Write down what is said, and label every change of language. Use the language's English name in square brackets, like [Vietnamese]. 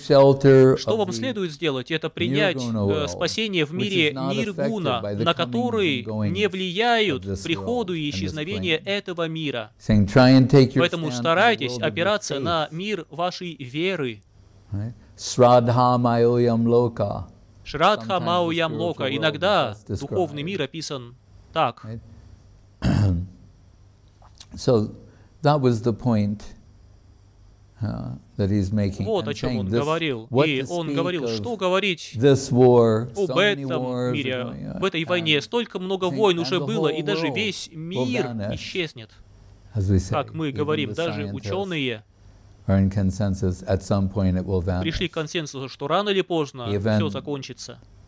[Russian] Что вам следует сделать? Это принять спасение в мире Ниргуна, на который не влияют приходу и исчезновение этого мира. Поэтому старайтесь опираться на мир вашей веры. [Sanskrit] Шрадха майоям лока. Шрадха майоям лока. [Russian] Иногда духовный мир описан так. [English] So that was the point that he's making. [Russian] Вот о чем он говорил. И он говорил, что говорить об этом мире, в этой войне. Столько много войн уже было, и даже весь мир исчезнет. Как мы говорим, даже ученые пришли к консенсусу, что рано или поздно все закончится.